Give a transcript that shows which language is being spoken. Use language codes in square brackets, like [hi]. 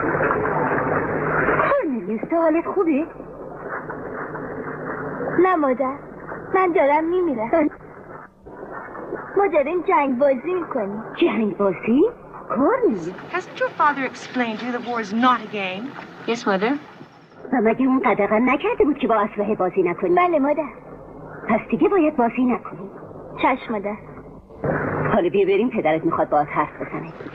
[fa] کانیلیس، تو حالت خوبی؟ نه مادر، من دارم میمیرم. ما داریم جنگ بازی میکنیم. جنگ بازی؟ کورنیلیس، [en] hasn't your father explained to you the war is not a game? Yes, mother. [fa] و مگه اون قدغن نکرده بود که با اسلحه بازی نکنیم؟ بله مادر. پس دیگه باید بازی نکنیم. چشم مادر. حالا بیا بریم، پدرت میخواد باهات حرف بزنه.